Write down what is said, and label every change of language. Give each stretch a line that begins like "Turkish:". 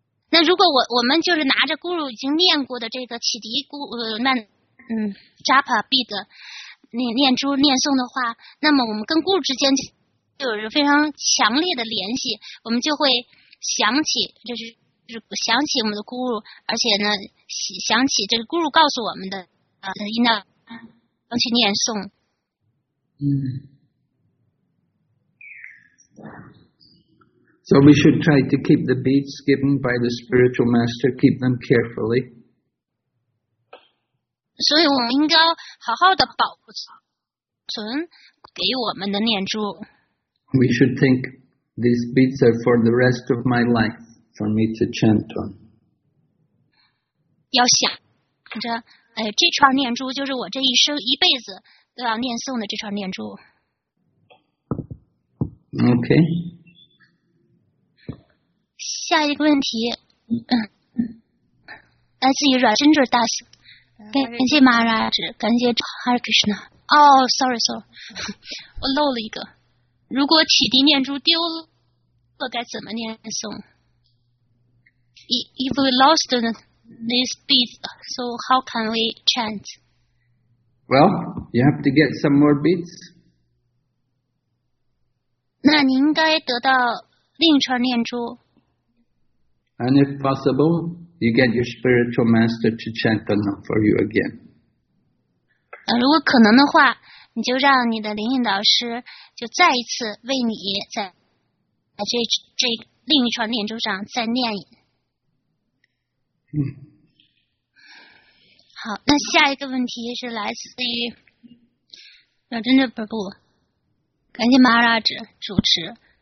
Chinese: 那如果我们就是拿着 Guru 已经念过的这个启迪 Japa bead念珠念诵的话，那么我们跟Guru之间就有非常强烈的联系，我们就会想起，就是想起我们的Guru，而且呢，想起这个Guru告诉我们的，应当去念诵。
English: So we should try to keep the beads given by the spiritual master, keep them carefully.
Chinese: 所以我们应该好好的保存给我们的念珠。
English: We should think these beads are for the rest of my life for me to chant on.
Chinese: 要想着，这串念珠就是我这一生一辈子都要念诵的这串念珠。
English: Okay.
Chinese: 下一个问题，来自于Rajendra Das。感谢马拉什，感谢 Hare Krishna。哦、，sorry， 我漏了一个。如果启迪念珠丢了，该怎么念诵 ？
English: If we lost this beads, so how can we chant? Well, you have to get some more beads.
Chinese: 那你应该得到另一串念珠。
English: And if possible, you get your spiritual master to chant them for you again.
Chinese: 如果可能的话，你就让你的灵引导师就再一次为你在这另一串念珠上再念。嗯。好，那下一个问题是来自于表真的本部，感谢马拉智主持。